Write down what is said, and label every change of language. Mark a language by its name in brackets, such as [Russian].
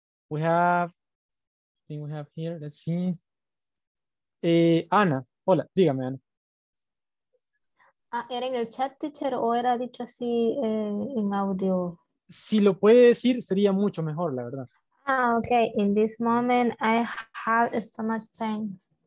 [English] We have, I think we have here, let's see. [Spanish] Ana. Hola. Dígame, Ana. ¿Era en el chat, teacher, o era dicho así en audio? Si lo puede decir, sería mucho mejor, la verdad. [English] Ah, okay. In this moment, I have so much pain.